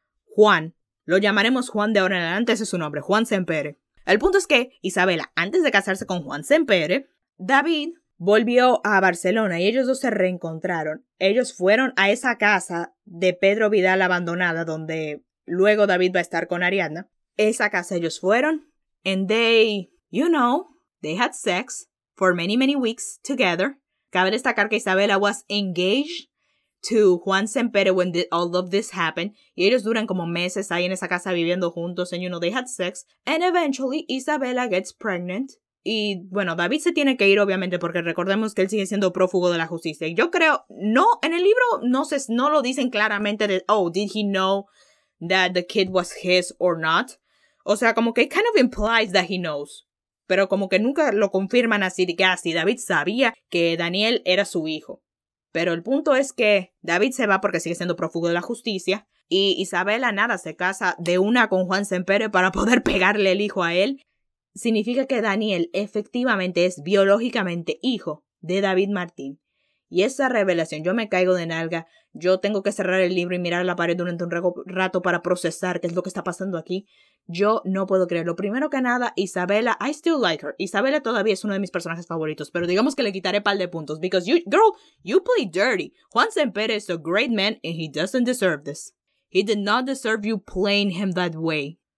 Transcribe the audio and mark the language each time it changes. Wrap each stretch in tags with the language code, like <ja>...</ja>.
<es>Juan, lo llamaremos Juan de ahora en adelante, ese es su nombre, Juan Sempere. El punto es que Isabella, antes de casarse con Juan Sempere, David volvió a Barcelona y ellos dos se reencontraron. Ellos fueron a esa casa de Pedro Vidal abandonada, donde luego David va a estar con Ariadna. Esa casa ellos fueron.</es> <en>And they, you know, they had sex for many, many weeks together.</en> <es>Cabe destacar que</es> <en>Isabella was engaged to Juan Sempere when all of this happened.</en> <es>Y ellos duran como meses ahí en esa casa viviendo juntos.</es> <en>And you know, they had sex. And eventually, Isabella gets pregnant.</en> <es>Y bueno, David se tiene que ir obviamente porque recordemos que él sigue siendo prófugo de la justicia. Y yo creo, no, en el libro no lo dicen claramente de, oh,</es> <en>did he know that the kid was his or not?</en> <es>O sea, como que</es> <en>it kind of implies that he knows.</en> <es>Pero como que nunca lo confirman así, que así David sabía que Daniel era su hijo. Pero el punto es que David se va porque sigue siendo prófugo de la justicia. Y Isabella nada, se casa de una con Juan Sempere para poder pegarle el hijo a él. Significa que Daniel efectivamente es biológicamente hijo de David Martín. Y esa revelación, yo me caigo de nalga, yo tengo que cerrar el libro y mirar la pared durante un rato para procesar qué es lo que está pasando aquí. Yo no puedo creerlo. Primero que nada, Isabella,</es> <en>I still like her.</en> <es>Isabella todavía es uno de mis personajes favoritos, pero digamos que le quitaré pal de puntos.</es> <en>Because you, girl, you play dirty. Juan Sempere is a great man and he doesn't deserve this. He did not deserve you playing him that way.</en>